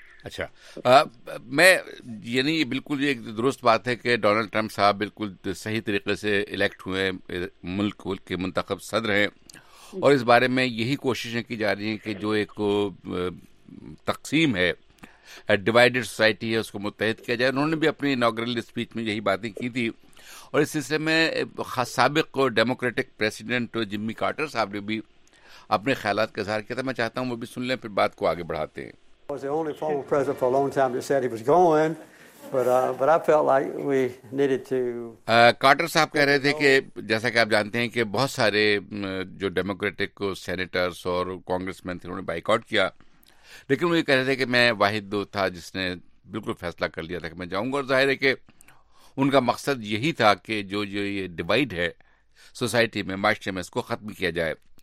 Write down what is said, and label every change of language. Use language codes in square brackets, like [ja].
[ur] اچھا میں یعنی بالکل یہ درست بات ہے کہ ڈونلڈ ٹرمپ صاحب بالکل صحیح طریقے سے الیکٹ ہوئے ملک کے منتخب صدر ہیں اور اس بارے میں یہی کوششیں کی جا رہی ہیں کہ جو ایک تقسیم ہے ڈیوائڈیڈ سوسائٹی ہے اس کو متحد کیا جائے. انہوں نے بھی اپنی انوگرل اسپیچ میں یہی باتیں کی تھی اور اس سلسلے میں سابق ڈیموکریٹک پریسیڈنٹ جمی کارٹر صاحب نے بھی اپنے خیالات کا اظہار کیا تھا. میں چاہتا ہوں وہ بھی سن لیں پھر بات کو آگے بڑھاتے ہیں. [en] I was the only former president for a long time that said he was going, but I felt like we needed to... [ur] Carter صاحب کہہ رہے تھے کہ جیسا کہ آپ جانتے ہیں کہ بہت سارے جو ڈیموکریٹک سینیٹرز اور کانگریس مین تھے انہوں نے بائیک آؤٹ کیا, لیکن وہ یہ کہہ رہے تھے کہ میں واحد تھا جس نے بالکل فیصلہ کر لیا تھا کہ میں جاؤں گا. اور ظاہر ہے کہ ان کا مقصد یہی تھا کہ جو یہ ڈیوائڈ ہے سوسائٹی میں معاشرے میں اس کو ختم کیا جائے.